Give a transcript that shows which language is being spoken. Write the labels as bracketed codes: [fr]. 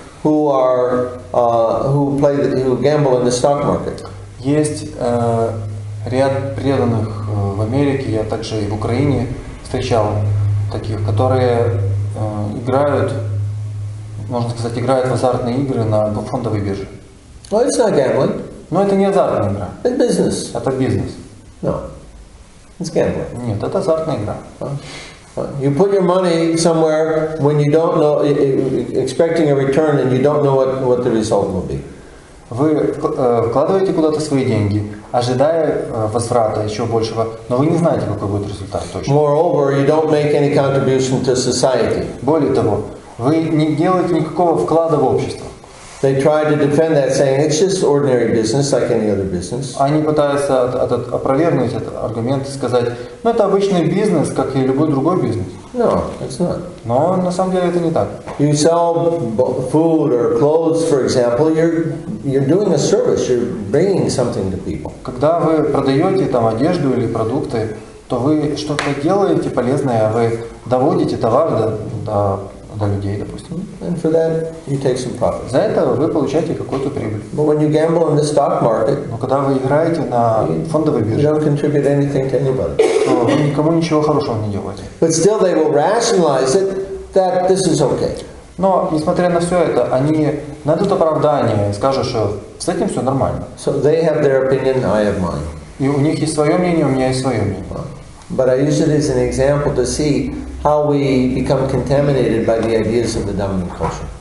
[en] who are who gamble in the stock market. [ru] Есть ряд преданных в Америке, я также и в Украине встречал таких, которые играют, можно сказать, играют в азартные игры на фондовой бирже. [en] Well, it's not gambling. [ru] Но это не азартная игра. [en] It's business. [ru] Это бизнес. [en] No. It's gambling. [ru] Нет, это азартная игра. [en] You put your money somewhere when you don't know, expecting a return, and you don't know what the result will be. [ru] Вы вкладываете куда-то свои деньги, ожидая возврата еще большего, но вы не знаете, какой будет результат точно. [en] Moreover, you don't make any contribution to society. [ru] Более того, вы не делаете никакого вклада в общество. [en] They try to defend that, saying it's just ordinary business, like any other business. [ru] Они пытаются опровергнуть этот аргумент и сказать, ну это обычный бизнес, как и любой другой бизнес. [en] No, it's not. [ru] Но на самом деле это не так. [en] You sell food or clothes, for example, you're doing a service, you're bringing something to people. [ru] Когда вы продаете там одежду или продукты, то вы что-то делаете полезное, вы доводите товар до людей, допустим. [en] And for that you take some profit. [ru] За это вы получаете какую-то прибыль. [en] But when you gamble in the stock market, [ru] но когда вы играете на фондовой бирже, [en] you don't contribute anything to anybody. [ru] То вы никому ничего хорошего не делаете. [en] But still they will rationalize it that this is okay. [ru] Но несмотря на все это, они найдут оправдание и скажут, что с этим все нормально. [en] So they have their opinion, I have mine. [ru] И у них есть свое мнение, у меня есть свое мнение. [en] But I use it as an example to see how we become contaminated by the ideas of the dominant culture.